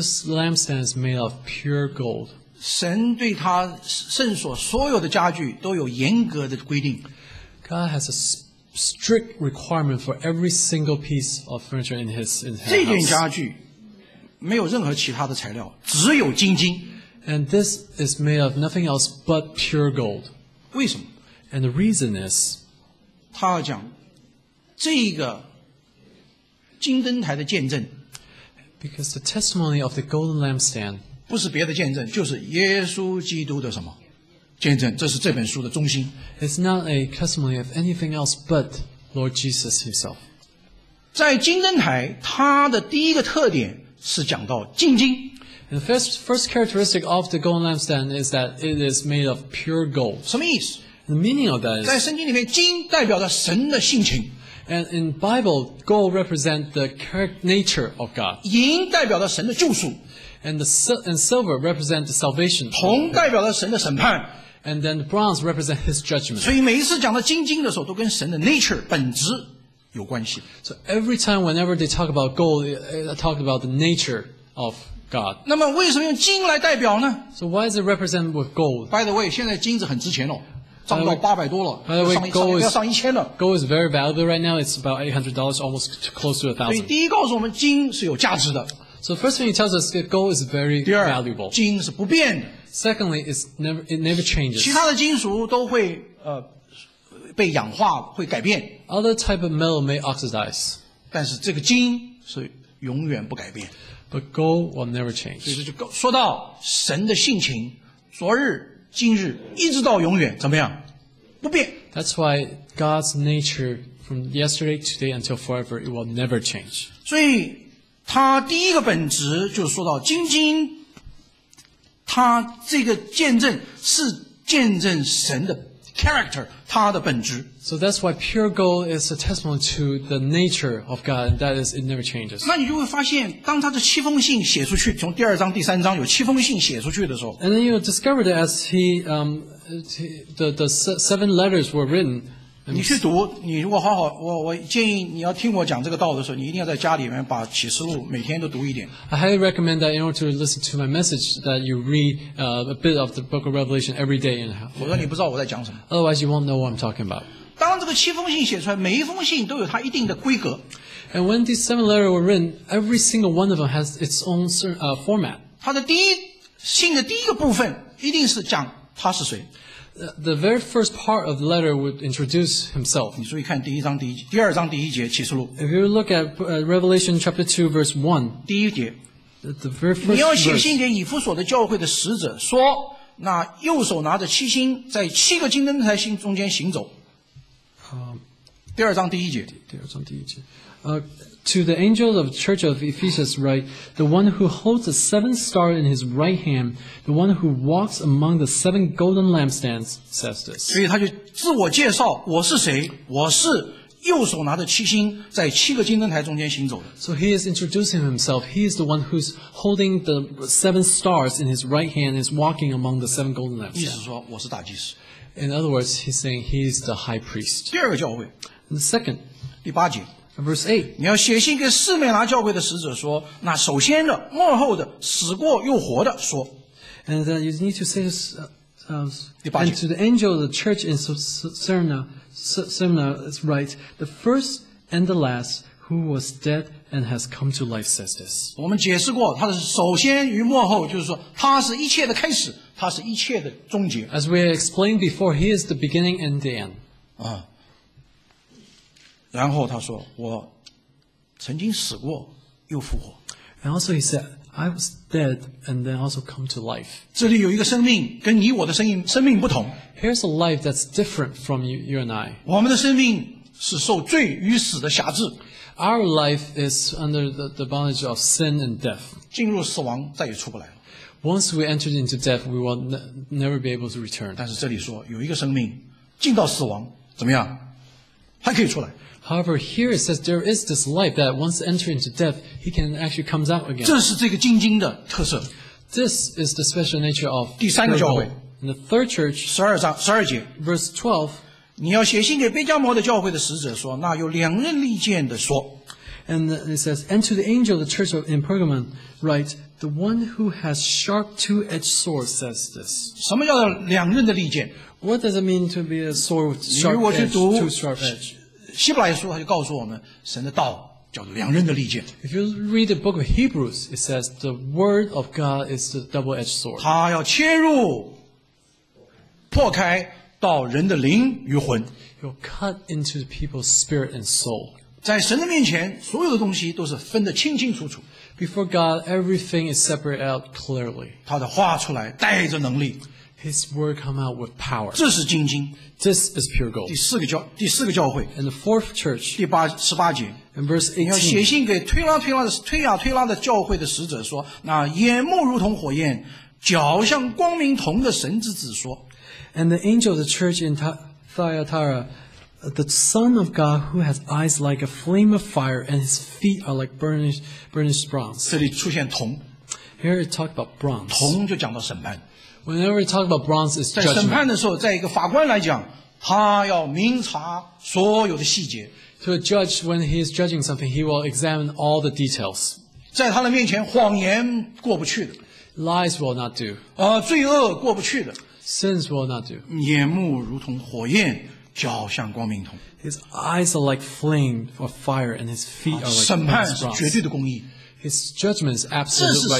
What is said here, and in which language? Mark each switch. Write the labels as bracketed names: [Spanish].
[English] This lampstand is made of pure gold. [Chinese] 神对他圣所所有的家具都有严格的规定。 [English] God has a strict requirement for every single piece of furniture in his house. [Chinese] 这件家具没有任何其他的材料，只有金金。 [English] And this is made of nothing else but pure gold. [Chinese] 为什么？ [English] And the reason is, [Chinese] 他讲这个金灯台的见证。 [English] Because the testimony of the golden lampstand. [Chinese] 不是别的见证，就是耶稣基督的什么见证？这是这本书的中心。 [English] It's not a testimony of anything else but Lord Jesus Himself. [Chinese] 在金灯台，它的第一个特点是讲到金金。 [English] And the first characteristic of the golden lampstand is that it is made of pure gold. [Chinese] 什么意思 [English] ？The meaning of that is [Chinese] 在圣经里面，金代表着神的性情。 [English] And in Bible, gold represents the nature of God. [Chinese] 银代表着神的救赎。 [English] And silver represent the salvation. [Chinese] 铜代表了神的审判。 [English] And then the bronze represent His judgment. [Chinese] 所以每一次讲到金金的时候，都跟神的 nature 本质有关系。 [English] So every time, whenever they talk about gold, they talk about the nature of God. [Chinese] 那么为什么用金来代表呢 [English] ？So why is it represented with gold? By the way, [Chinese] 现在金子很值钱哦，涨到八百多了。 [English] By the way, gold is [Chinese] 要上一千了。 [English] Gold is very valuable right now. It's about $800, almost close to $1,000. [Chinese] 所以第一告诉我们，金是有价值的。 [English] So first thing he tells us that gold is very valuable. [Chinese] 金是不变的。 [English] Secondly, it never changes. [Chinese] 其他的金属都会被氧化，会改变。 [English] Other type of metal may oxidize. [Chinese] 但是这个金是永远不改变。 [English] But gold will never change. [Chinese] 所以就说到神的性情，昨日、今日，一直到永远，怎么样？不变。 [English] That's why God's nature from yesterday, today, until forever, it will never change. [Chinese] 所以他第一个本质就是说到金金，他这个见证是见证神的 character， 他的本质。 [English] So that's why pure gold is a testimony to the nature of God, and that is it never changes. [Chinese] 那你就会发现，当他的七封信写出去，从第二章、第三章有七封信写出去的时候 [English] ，And then you discover that as he the seven letters were written. [Chinese] 你去读，你如果好好，我建议你要听我讲这个道的时候，你一定要在家里面把启示录每天都读一点。 [English] I highly recommend that in order to listen to my message that you read a bit of the book of Revelation every day in half. [Chinese] 否则你不知道我在讲什么。 [English] Otherwise, you won't know what I'm talking about. [Chinese] 当这个七封信写出来，每一封信都有它一定的规格。 [English] And when these seven letters were written, every single one of them has its own format. [Chinese] 它的第一信的第一个部分一定是讲他是谁。 [English] The very first part of the letter would introduce himself. [Chinese] 你注意看第一章第一第二章第一节启示录。 [English] If you look at Revelation chapter 2 verse 1, [Chinese] 第一节 [English] the very first [Chinese] 你要写信给以弗所的教会的使者说，那右手拿着七星，在七个金灯台星中间行走。第二章第一节。第二章第一节。 [English] To the angel of the church of Ephesus write, the one who holds the seven star in his right hand, the one who walks among the seven golden lampstands, says this. [Chinese] 所以他就自我介绍，我是谁？我是右手拿着七星，在七个金灯台中间行走的。 [English] So he is introducing himself. He is the one who's holding the seven stars in his right hand and is walking among the seven golden lampstands. [Chinese] 意思说我是大祭司。 [English] In other words, he's saying he is the high priest. [Chinese] 第二个教会。 [English] The second. [Chinese] 第八节。 [English] Verse 8, [Chinese] 你要写信给四面拿教会的使者说，那首先的、末后的、死过又活的说。 [English] And then you need to say this. [Chinese] 第八节。 [English] And to the angel of the church in Smyrna, write the first and the last who was dead and has come to life says this. [Chinese] 我们解释过，他的首先与末后，就是说他是一切的开始，他是一切的终结。 [English] As we explained before, he is the beginning and the end. [Chinese] 然后他说：“我曾经死过，又复活。” [English] And also he said, I was dead and then also come to life. [Chinese] 这里有一个生命跟你我的生命生命不同。 [English] Here's a life that's different from you, you and I. [Chinese] 我们的生命是受罪与死的辖制。 [English] Our life is under the bondage of sin and death. [Chinese] 进入死亡再也出不来了。 [English] Once we enter into death, we will never be able to return. [Chinese] 但是这里说有一个生命进到死亡怎么样还可以出来。 [English] However, here it says there is this life that once entered into death, he can actually come out again. [Chinese] 这是这个金经的特色。 [English] This is the special nature of the third church. [Chinese] 第三个教 [English] 会。In the third church, [Chinese] 12节 [English] verse 12, [Chinese] 你要写信给被教魔的教会的使者说那有两刃利剑的说。 [English] And it says, and to the angel of the church in Pergamon, write, the one who has sharp two-edged sword says this. [Chinese] 什么叫两刃的利剑? [English] What does it mean to be a sword with sharp edge, two sharp edge? [Chinese] 希伯来书他就告诉我们神的道叫做两刃的利剑 [English] If you read the book of Hebrews it says the word of God is the double-edged sword [Chinese] 他要切入破开到人的灵与魂 [English] You'll cut into the people's spirit and soul [Chinese] 在神的面前所有的东西都是分得清清楚楚 [English] Before God everything is separated out clearly [Chinese] 他的话出来带着能力 [English] His word come out with power. [Chinese] 这是金经。 [English] This is pure gold. [Chinese] 第四个教会。 [English] And the fourth church. [Chinese] 第十八节。 [English] And verse 18. [Chinese] 你要写信给推拉推拉的教会的使者说，那眼目如同火焰，脚像光明铜的神之子说。 [English] And the angel of the church in Thyatira, the son of God who has eyes like a flame of fire and his feet are like burnished bronze. [Chinese] 这里出现铜。 [English] Here it talks about bronze. [Chinese] 铜就讲到审判。 [English] Whenever we talk about bronze, it's judgment. [Chinese] 在审判的时候，在一个法官来讲，他要明察所有的细节。 [English] To a judge, when he is judging something, he will examine all the details. [Chinese] 在他的面前，谎言过不去的。 [English] Lies will not do. [Chinese] 罪恶过不去的。 [English] Sins will not do. [Chinese] 眼目如同火焰，脚像光明铜。 [English] His eyes are like flame or fire, and his feet are like bronze. [Chinese] 审判是绝对的公义。 [English] His judgment is absolute righteous.